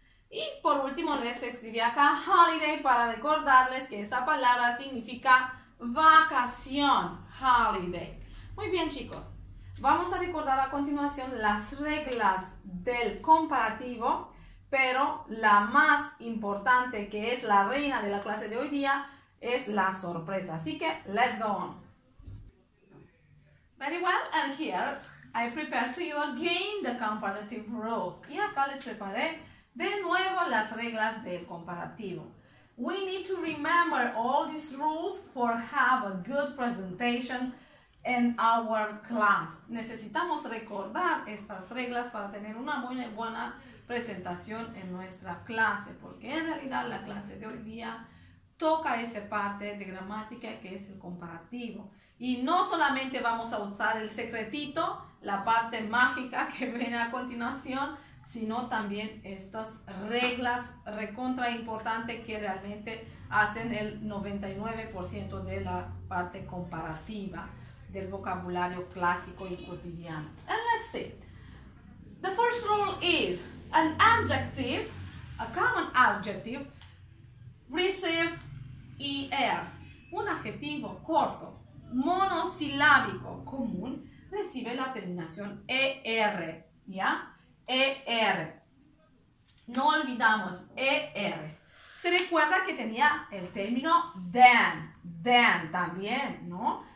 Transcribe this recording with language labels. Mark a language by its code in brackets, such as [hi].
[es] Y por último les escribí acá holiday para recordarles que esta palabra significa vacación, holiday. Muy bien, chicos. Vamos a recordar a continuación las reglas del comparativo, pero la más importante, que es la reina de la clase de hoy día, es la sorpresa. Así que, [en] let's go on. Very well, and here I prepare to you again the comparative rules. [es] Y acá les preparé de nuevo las reglas del comparativo. [en] We need to remember all these rules for have a good presentation in our class. [es] Necesitamos recordar estas reglas para tener una muy buena presentación en nuestra clase, porque en realidad la clase de hoy día toca esa parte de gramática que es el comparativo. Y no solamente vamos a usar el secretito, la parte mágica que viene a continuación, sino también estas reglas recontra importante que realmente hacen el 99% de la parte comparativa del vocabulario clásico y cotidiano. [en] And let's see. The first rule is an adjective, a common adjective, receive [es] y er, un adjetivo corto, monosilábico, común, recibe la terminación er, ¿ya? Er. No olvidamos, er. Se recuerda que tenía el término than, than también, ¿no?